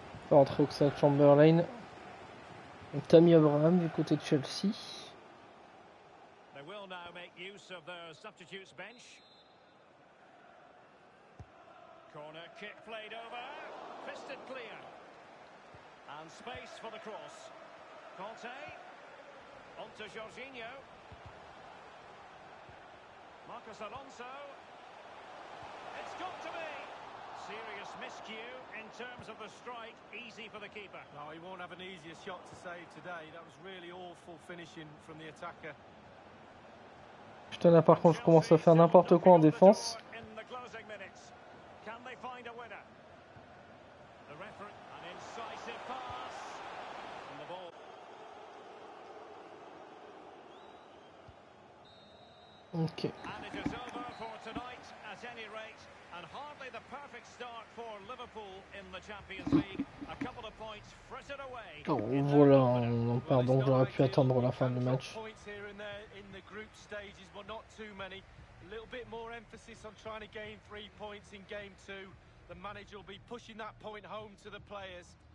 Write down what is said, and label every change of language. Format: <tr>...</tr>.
<fr>Entre Oxlade Chamberlain et Tammy Abraham du côté de Chelsea.</fr> <en>They will now make use of the substitutes bench. Corner kick played over. Fisted clear. And space for the cross. Conte. On to Jorginho. Marcos Alonso. It's got to be. Serious miscue in terms of the strike, easy for the keeper. No, he won't have an easier shot to save today. That was really awful finishing from the attacker.</en> <fr>Putain, là par contre, je commence à faire n'importe quoi en défense.</fr> <en>In the closing minutes, can they find a winner? The referee, an incisive pass. And the ball. Okay. And it is over for tonight, at any rate. And hardly the perfect start for Liverpool in the Champions League. A couple of points frittered away.</en> <fr>Oh, voilà. Non, pardon, j'aurais pu attendre la fin du match.</fr> <en>Points here and there in the group stages, but not too many. A little bit more emphasis on trying to gain 3 points in game two. The manager will be pushing that point home to the players.</en>